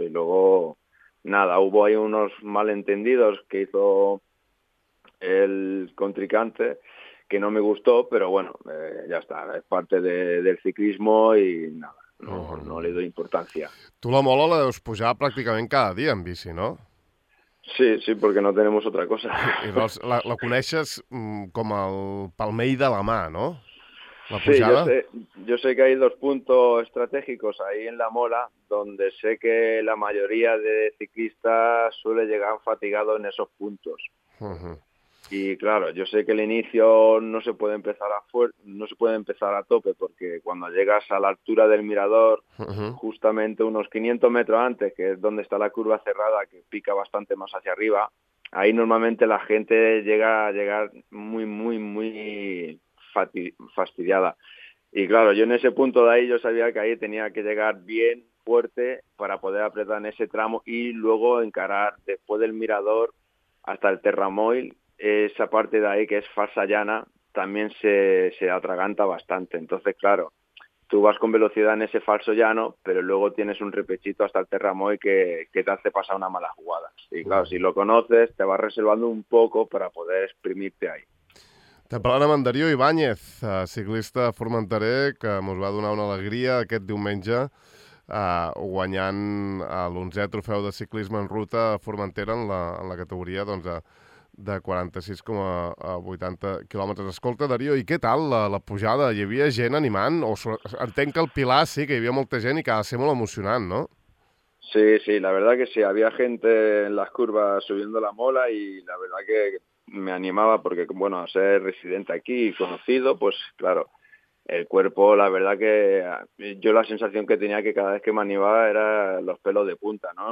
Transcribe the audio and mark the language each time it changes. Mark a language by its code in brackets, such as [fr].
[es] Y luego, nada, hubo ahí unos malentendidos que hizo el contrincante, que no me gustó, pero bueno, ya está, es parte del ciclismo y nada, no le doy importancia. [ca] Tú la mola la deus pujar prácticamente cada día en bici, ¿no? [es] Sí, porque no tenemos otra cosa. [ca] I doncs, la coneixes com el palmell de la mà, no? La pujada? [es] Sí, yo sé que hay dos puntos estratégicos ahí en la Mola, donde sé que la mayoría de ciclistas suele llegar fatigado en esos puntos. Uh-huh. Y claro, yo sé que el inicio no se puede empezar a tope, porque cuando llegas a la altura del mirador, justamente unos 500 metros antes, que es donde está la curva cerrada, que pica bastante más hacia arriba, ahí normalmente la gente llega a llegar muy, muy, muy fastidiada. Y claro, yo en ese punto de ahí, yo sabía que ahí tenía que llegar bien fuerte para poder apretar en ese tramo y luego encarar, después del mirador hasta el Terramoil, esa parte de ahí que es falsa llana, también se atraganta bastante. Entonces, claro, tú vas con velocidad en ese falso llano, pero luego tienes un repechito hasta el Terramoil que te hace pasar una mala jugada. Y claro, si lo conoces, te vas reservando un poco para poder exprimirte ahí. [ca] Estem parlant amb en Darío Ibáñez, ciclista formenterer, que ens va donar una alegria aquest diumenge guanyant l'11è trofeu de ciclisme en ruta a Formentera en la categoria doncs, de 46,80 quilòmetres. Escolta, Darío, i què tal la pujada? Hi havia gent animant? Entenc que el Pilar sí, que hi havia molta gent i que va ser molt emocionant, no? [es] Sí, la verdad que sí. Había gente en las curvas subiendo la Mola y la verdad que me animaba porque, bueno, ser residente aquí y conocido, pues claro, el cuerpo, la verdad que yo la sensación que tenía que cada vez que me animaba era los pelos de punta, ¿no?